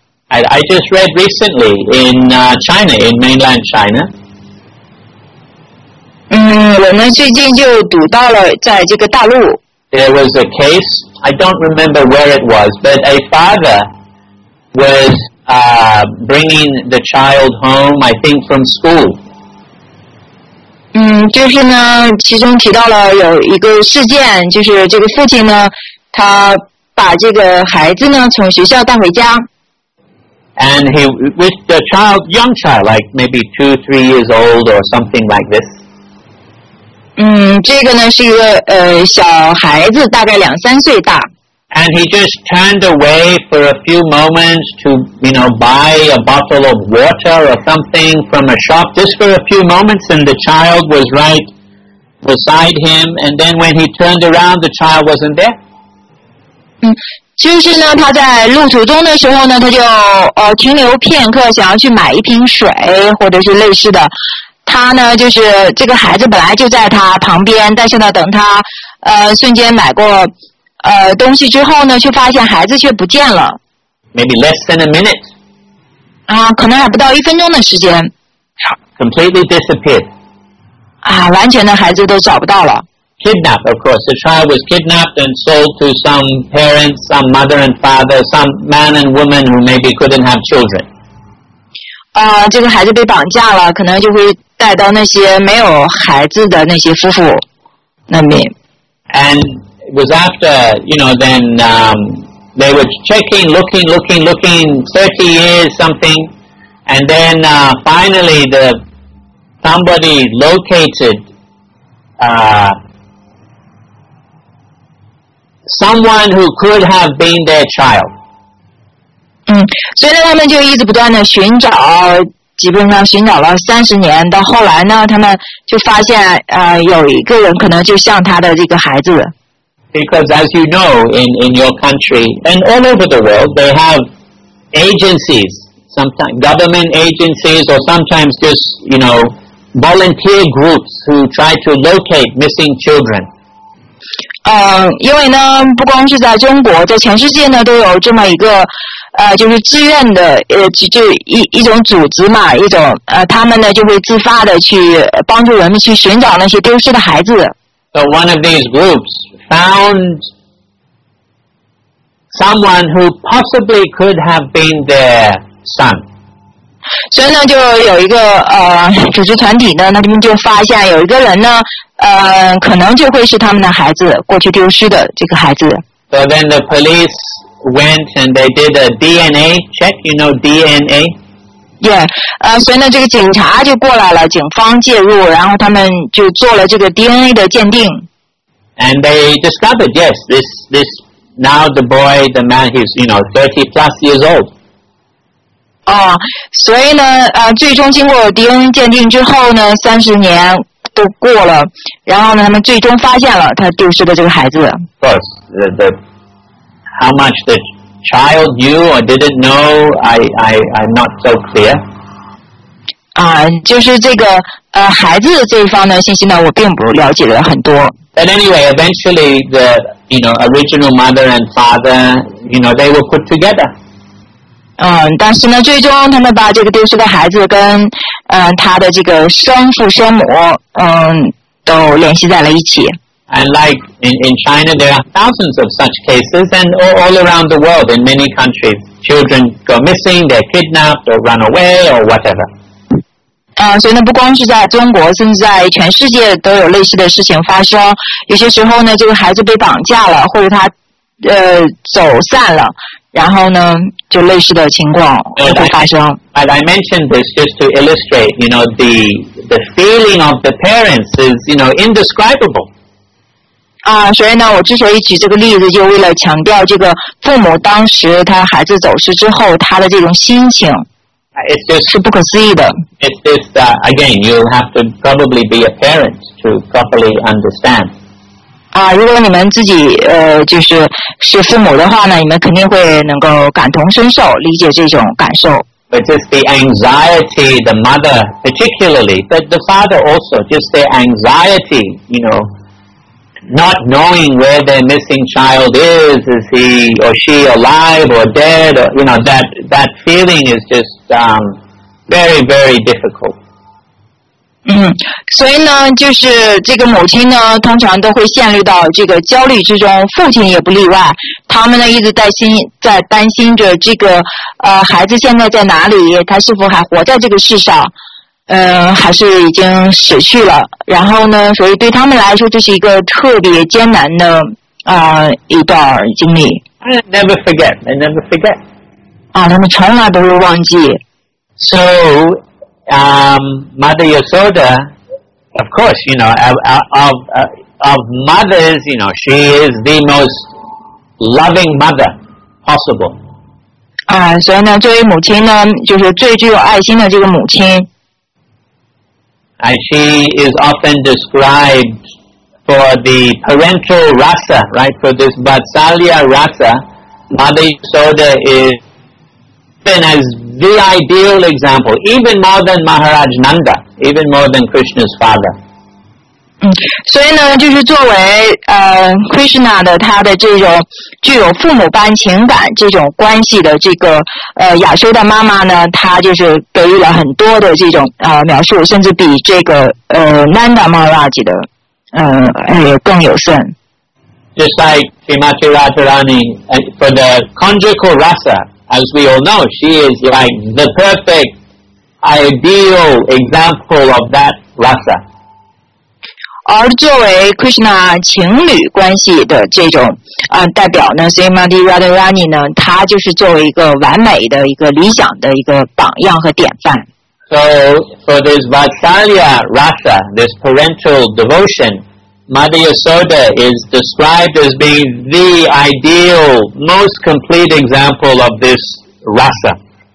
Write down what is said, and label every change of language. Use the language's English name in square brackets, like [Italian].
[English] I just read recently in China, in mainland China. [Chinese] 我们最近就读到了在这个大陆。 [English] There was a case, I don't remember where it was, but a father was bringing the child home, I think, from school. [Chinese] 就是呢，其中提到了有一个事件，就是这个父亲呢，他把这个孩子呢从学校带回家。 [English] And he was a child, young child, like maybe 2-3 years old or something like this. [Chinese] 这个呢是一个小孩子，大概两三岁大。 [English] And he just turned away for a few moments to, you know, buy a bottle of water or something from a shop, just for a few moments, and the child was right beside him, and then when he turned around, the child wasn't there. [Chinese] 就是呢，他在路途中的时候呢，他就停留片刻，想要去买一瓶水或者是类似的。他呢，就是这个孩子本来就在他旁边，但是呢，等他瞬间买过东西之后呢，却发现孩子却不见了。 [English] Maybe less than a minute. [Chinese] 可能还不到一分钟的时间。 [English] Completely disappeared. [Chinese] 完全的孩子都找不到了。 [English] Kidnapped, of course. The child was kidnapped and sold to some parents, some mother and father, some man and woman who maybe couldn't have children. [Chinese] 这个孩子被绑架了，可能就会带到那些没有孩子的那些夫妇那边。 [English] And it was after, you know, then they were checking, looking, 30 years, something. And then finally somebody located someone who could have been their child. [Chinese] 所以呢，他们就一直不断的寻找，基本上寻找了三十年。到后来呢，他们就发现，有一个人可能就像他的这个孩子。 [English] Because as you know, in your country and all over the world, they have agencies, sometimes government agencies, or sometimes just you know volunteer groups who try to locate missing children. [Chinese] 因为呢，不光是在中国，在全世界呢都有这么一个，就是志愿的，就一种组织嘛，一种他们呢就会自发的去帮助人们去寻找那些丢失的孩子。 [English] So one of these groups found someone who possibly could have been their son. [Chinese] 所以呢，就有一个组织团体呢，那边就发现有一个人呢。可能就会是他们的孩子过去丢失的这个孩子。 [English] So then the police went and they did a DNA check, you know DNA? [Chinese] Yeah, 所以呢这个警察就过来了，警方介入，然后他们就做了这个 DNA 的鉴定。 [English] And they discovered, yes, this now the boy, the man, he's, you know, 30 plus years old. [Chinese] 所以呢最终经过 DNA 鉴定之后呢，三十年都过了，然后呢，他们最终发现了他丢失的这个孩子。 [English] Of course, how much the child knew or didn't know, I'm not so clear. [Chinese] 就是这个孩子这一方的信息呢，我并不了解了很多。 [English] But anyway, eventually the you know original mother and father, you know they were put together. [Chinese] 但是呢，最终他们把这个丢失的孩子跟他的这个生父生母都联系在了一起。 [English] And like in China, there are thousands of such cases, and all around the world, in many countries, children go missing, they're kidnapped or run away or whatever. [Chinese] 所以呢，不光是在中国，甚至在全世界都有类似的事情发生。有些时候呢，这个孩子被绑架了，或者他走散了。然后呢，就类似的情况会发生。 [English] But I mentioned this just to illustrate, you know, the feeling of the parents is, you know, indescribable. [Chinese] 所以呢，我之所以举这个例子，就为了强调这个父母当时他孩子走失之后他的这种心情。 [English] It's just again, you'll have to probably be a parent to properly understand. [Chinese] 如果你们自己就是是父母的话呢，你们肯定会能够感同身受，理解这种感受。 [English] But just the anxiety, the mother particularly, but the father also, just the anxiety, you know, not knowing where their missing child is he or she alive or dead, or, you know, that feeling is just very, very difficult. [Chinese] 所以呢就是这个母亲呢通常都会陷入到这个焦虑之中，父亲也不例外，他们呢一直在担心着这个孩子现在在哪里，他是否还活在这个世上，还是已经死去了，然后呢所以对他们来说这是一个特别艰难的一段经历。 [English] I never forget. [Chinese] 他们从来不会忘记。 [English] So,Mother Yasoda, of course, you know, of mothers, you know, she is the most loving mother possible. [Chinese] 所以呢，作为母亲呢，就是最具有爱心的这个母亲。 [English] And she is often described for the parental rasa, right? For this Vatsalya rasa, Mother Yasoda is even as. The ideal example, even more than Maharaj Nanda, even more than Krishna's father. [Chinese] 所以呢，就是作为Krishna 的他的这种具有父母般情感这种关系的这个亚修的妈妈呢，她就是给予了很多的这种描述，甚至比这个Nanda Maharaj 的更有甚。 [English] Just like Srimati Radharani for the conjugal rasa. As we all know, she is like the perfect ideal example of that rasa. [Chinese] 而作为 Krishna 情侣关系的这种代表呢 Srimati Radharani 呢，她就是作为一个完美的一个理想的一个榜样和典范。 [English] So for this Vatsalya rasa, this parental devotion, Mother Yasoda is described as being the ideal, most complete example of this rasa.